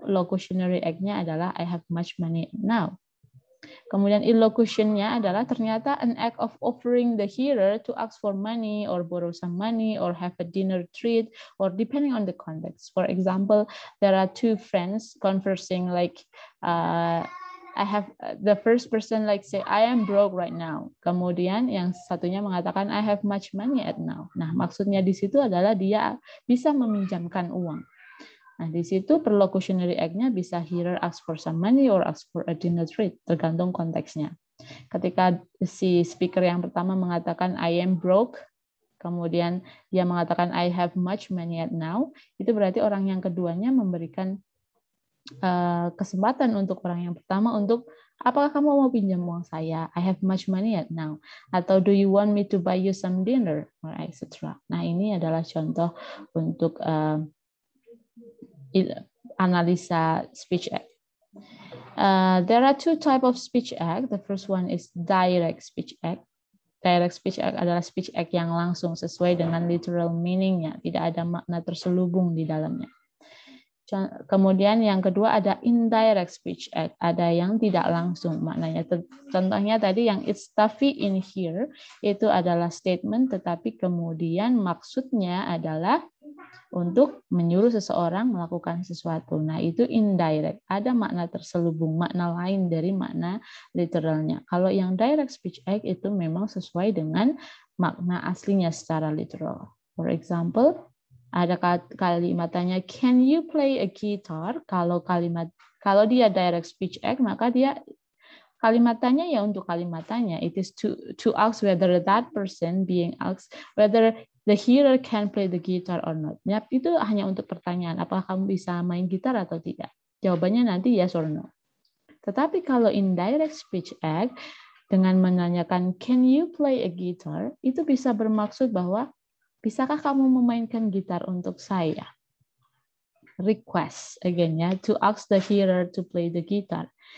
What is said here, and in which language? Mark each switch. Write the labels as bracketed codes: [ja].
[en] Locutionary act-nya adalah I have much money now. [id] Kemudian illocution-nya adalah ternyata [en] an act of offering the hearer to ask for money or borrow some money or have a dinner treat or depending on the context. For example, there are two friends conversing like the first person like say I am broke right now. [id] Kemudian yang satunya mengatakan [en] I have much money at now. [id] Nah, maksudnya di situ adalah dia bisa meminjamkan uang. Nah, di situ perlocutionary act-nya bisa [en] hearer ask for some money or ask for a dinner treat, [id] tergantung konteksnya. Ketika si speaker yang pertama mengatakan [en] I am broke, [id] kemudian dia mengatakan [en] I have much money at now, [id] itu berarti orang yang keduanya memberikan kesempatan untuk orang yang pertama untuk apakah kamu mau pinjam uang saya? [en] I have much money at now. [id] Atau [en] do you want me to buy you some dinner? Or etc. [id] Nah, ini adalah contoh untuk analisa speech act. [en] There are two types of speech act. The first one is direct speech act. [id] Direct speech act adalah speech act yang langsung sesuai dengan literal meaningnya, tidak ada makna terselubung di dalamnya. Kemudian yang kedua ada indirect speech act, ada yang tidak langsung maknanya. Contohnya tadi yang [en] it's stuffy in here [id] itu adalah statement, tetapi kemudian maksudnya adalah untuk menyuruh seseorang melakukan sesuatu. Nah itu indirect, ada makna terselubung, makna lain dari makna literalnya. Kalau yang direct speech act itu memang sesuai dengan makna aslinya secara literal. [en] For example, [id] ada kalimatnya [en] can you play a guitar? [id] Kalau dia direct speech act, maka dia kalimatannya ya untuk kalimatannya. [en] It is to ask whether that person being asked whether the hearer can play the guitar or not. [id] Ya, itu hanya untuk pertanyaan, apakah kamu bisa main gitar atau tidak? Jawabannya nanti [en] yes or no. [id] Tetapi kalau indirect speech act, dengan menanyakan [en] can you play a guitar, [id] itu bisa bermaksud bahwa bisakah kamu memainkan gitar untuk saya? [en] Request, again ya, to ask the hearer to play the guitar.